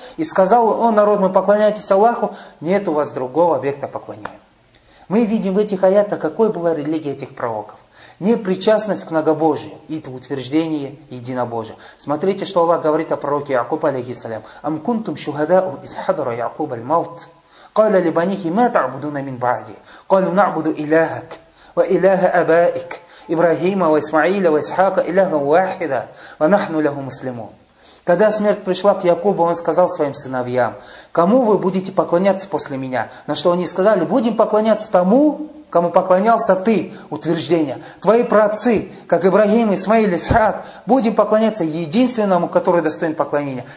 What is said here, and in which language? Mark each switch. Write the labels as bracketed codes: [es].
[ru] И сказал он, «О, народ мой, поклоняйтесь Аллаху, нет у вас другого объекта поклонения». Мы видим в этих аятах, какой была религия этих пророков. Непричастность к многобожию и утверждение единобожия. Смотрите, что Аллах говорит о пророке Якуб, алейхи салям. [ar] «Ам кунтум шухадау из хадара Якуб аль-маут». قال لبنيه ما تعبدون من بعدي قالوا نعبد إلهك وإله أبائك إبراهيم وإسماعيل وإسحاق إله واحدة ونحن له مسلمون. [ru] Когда смерть пришла к Якубу, он сказал своим сыновьям: «Кому вы будете поклоняться после меня?» На что они сказали: «Будем поклоняться тому, кому поклонялся ты». Утверждение: «Твои праотцы, как Ибрагим, Исмаил, Исхак, будем поклоняться единственному, который достоин поклонения».